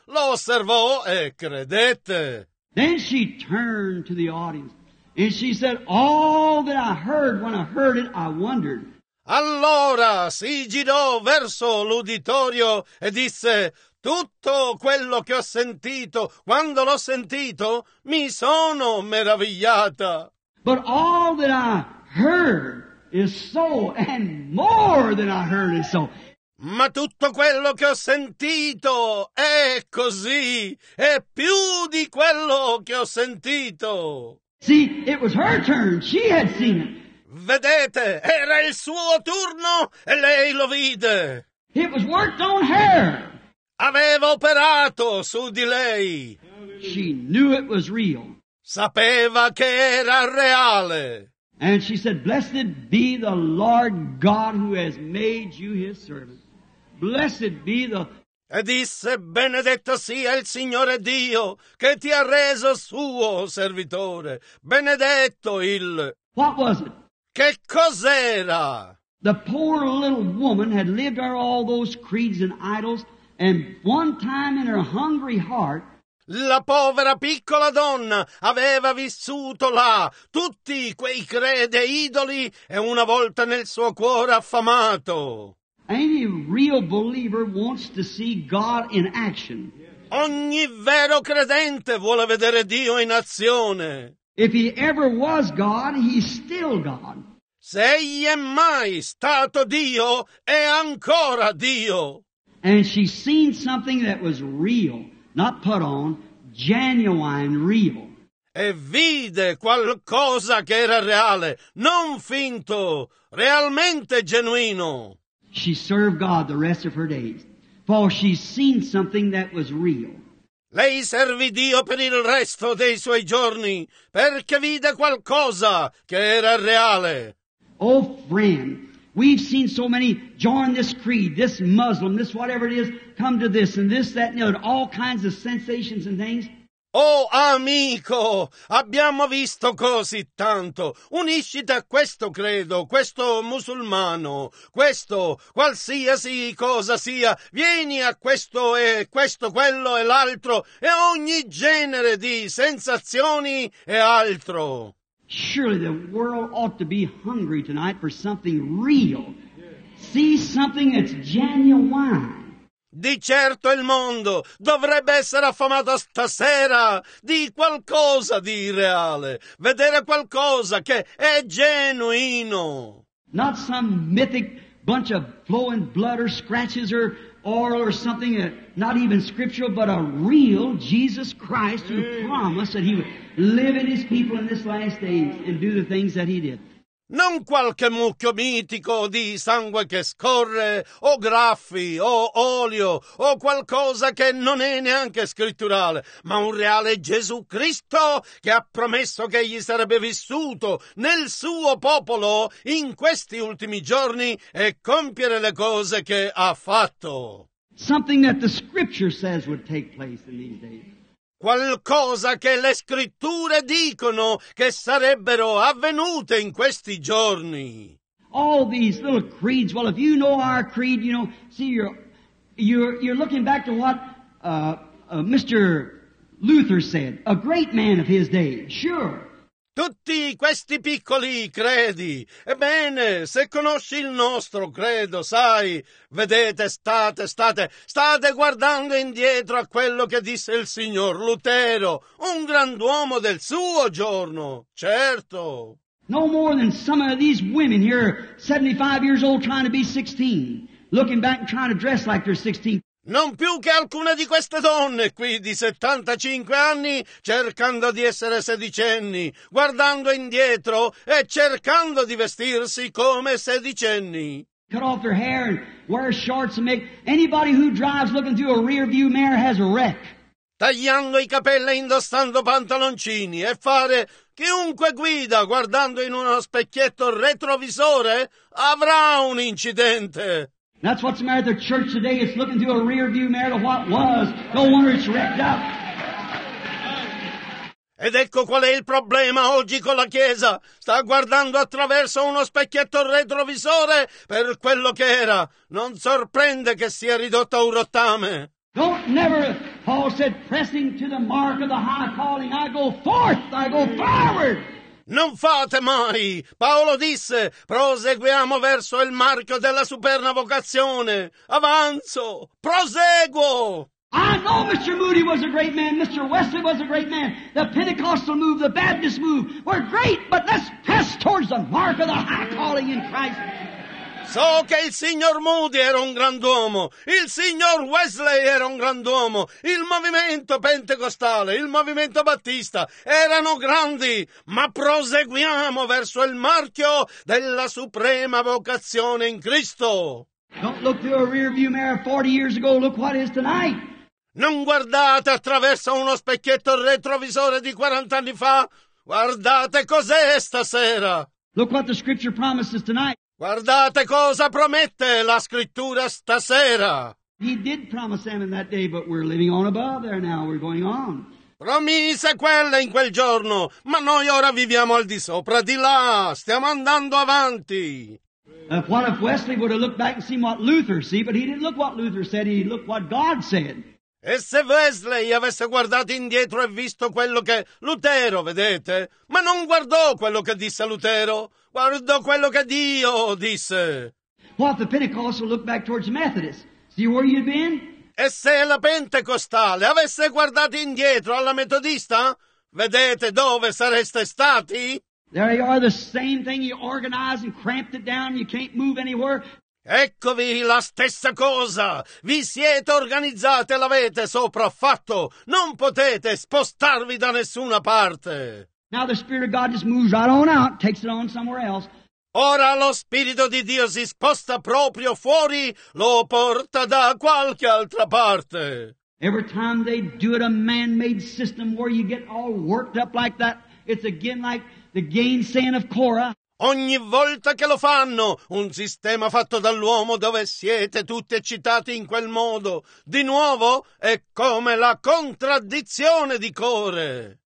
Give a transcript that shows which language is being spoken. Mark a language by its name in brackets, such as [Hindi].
[Italian] Lo osservò e credette. [English] Then she turned to the audience and she said, all that I heard, when I heard it, I wondered. [Italian] Allora si girò verso l'uditorio e disse, tutto quello che ho sentito, quando l'ho sentito, mi sono meravigliata. [English] But all that I heard is so, and more than I heard is so. [Italian] Ma tutto quello che ho sentito è così, è più di quello che ho sentito. [English] See, it was her turn. She had seen it. [Italian] Vedete, era il suo turno e lei lo vide. [English] It was worked on her. [Italian] Aveva operato su di lei. [English] She knew it was real. [Italian] Sapeva che era reale. [English] And she said, blessed be the Lord God who has made you his servant. Blessed be the... [Italian] E disse, benedetto sia il Signore Dio che ti ha reso suo servitore. Benedetto il... [English] What was it? [Italian] Che cos'era? [English] The poor little woman had lived out all those creeds and idols, and one time in her hungry heart, [Italian] la povera piccola donna aveva vissuto là tutti quei credi e idoli e una volta nel suo cuore affamato. [English] Any real believer wants to see God in action. [Italian] Ogni vero credente vuole vedere Dio in azione. [English] If he ever was God, he's still God. [Italian] Se egli è mai stato Dio, è ancora Dio. [English] And she seen something that was real. Not put on, genuine, real. [Italian] E vide qualcosa che era reale, non finto, realmente genuino. [English] She served God the rest of her days, for she seen something that was real. [Italian] Lei servì Dio per il resto dei suoi giorni, perché vide qualcosa che era reale. [English] Oh, friend, we've seen so many join this creed, this Muslim, this whatever it is, come to this and this, that, and the other, all kinds of sensations and things. [Italian] Oh, amico, abbiamo visto così tanto. Unisciti a questo credo, questo musulmano, questo, qualsiasi cosa sia, vieni a questo e questo, quello e l'altro, e ogni genere di sensazioni e altro. [English] Surely the world ought to be hungry tonight for something real. See something that's genuine. [Italian] Di certo il mondo dovrebbe essere affamato stasera di qualcosa di reale. Vedere qualcosa che è genuino. [English] Not some mythic bunch of flowing blood or scratches or oil or something that not even scriptural, but a real Jesus Christ who promised that he would live in his people in this last days and do the things that he did. [Italian] Non qualche mucchio mitico di sangue che scorre, o graffi, o olio, o qualcosa che non è neanche scritturale, ma un reale Gesù Cristo che ha promesso che egli sarebbe vissuto nel suo popolo in questi ultimi giorni e compiere le cose che ha fatto. [English] Something that the scripture says would take place in these days. [Italian] Qualcosa che le scritture dicono che sarebbero avvenute in questi giorni. [English] All these little creeds, well, if you know our creed, you know, see, you're looking back to what Mr. Luther said, a great man of his day, sure. [Italian] tutti questi piccoli credi. Ebbene, se conosci il nostro credo, sai, vedete, state guardando indietro a quello che disse il signor Lutero, un grand'uomo del suo giorno, certo. [English] No more than some of these women here, 75 years old, trying to be 16, looking back and trying to dress like they're 16. [Italian] Non più che alcune di queste donne qui di 75 anni cercando di essere sedicenni, guardando indietro e cercando di vestirsi come sedicenni. [English] Cut off their hair and wear shorts and make anybody who drives looking through a rear view mirror has a wreck. [Italian] Tagliando i capelli e indossando pantaloncini e fare chiunque guida guardando in uno specchietto retrovisore avrà un incidente. [English] That's what's the matter with the church today. It's looking through a rear view mirror of what was. No wonder it's wrecked up. [Italian] Ed ecco qual è il problema oggi con la Chiesa. Sta guardando attraverso uno specchietto retrovisore per quello che era. Non sorprende che sia ridotta a un rottame. [English] Don't never, Paul said, pressing to the mark of the high calling. I go forth, I go forward. [Italian] Non fate mai, Paolo disse, proseguiamo verso il marchio della superna vocazione. Avanzo, proseguo. [English] I know Mr. Moody was a great man, Mr. Wesley was a great man. The Pentecostal move, the Baptist move were great, but let's press towards the mark of the high calling in Christ. [Italian] So che il signor Moody era un grand'uomo, il signor Wesley era un grand'uomo, il movimento pentecostale, il movimento battista erano grandi, ma proseguiamo verso il marchio della suprema vocazione in Cristo. [English] Don't look through a rear view mirror 40 years ago, look what is tonight. [Italian] Non guardate attraverso uno specchietto retrovisore di 40 anni fa, guardate cos'è stasera. [English] Look what the scripture promises tonight. [Italian] Guardate cosa promette la scrittura stasera. [English] He did promise them in that day, but we're living on above there now, we're going on. [Italian] Promise quella in quel giorno, ma noi ora viviamo al di sopra, di là, stiamo andando avanti. [English] What if Wesley would have looked back and seen what Luther see, but he didn't look what Luther said, he looked what God said. [Italian] E se Wesley avesse guardato indietro e visto quello che Lutero, vedete, ma non guardò quello che disse Lutero. Guardo quello che Dio disse. [English] What if the Pentecostal looked back towards the Methodist? See where you'd been? [Italian] E se la Pentecostale avesse guardato indietro alla Metodista? Vedete dove sareste stati? [English] There you are, the same thing you organized and cramped it down, you can't move anywhere. [Italian] Eccovi la stessa cosa. Vi siete organizzate, l'avete sopraffatto. Non potete spostarvi da nessuna parte. [English] Now the Spirit of God just moves right on out, takes it on somewhere else. [Italian] Ora lo Spirito di Dio si sposta proprio fuori, lo porta da qualche altra parte. [English] Every time they do it, a man-made system where you get all worked up like that, it's again like the gainsaying of Korah. [Italian] Ogni volta che lo fanno, un sistema fatto dall'uomo dove siete tutti eccitati in quel modo, di nuovo è come la contraddizione di Core.